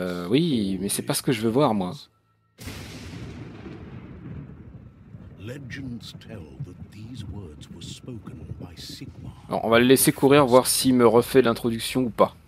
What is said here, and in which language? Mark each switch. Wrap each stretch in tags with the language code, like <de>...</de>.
<fr>Oui, mais c'est pas ce que je veux voir, moi.</fr> <en>Legends tell that these words were spoken by Sigmar.</en> <fr>Alors, on va le laisser courir, voir s'il me refait l'introduction ou pas.</fr>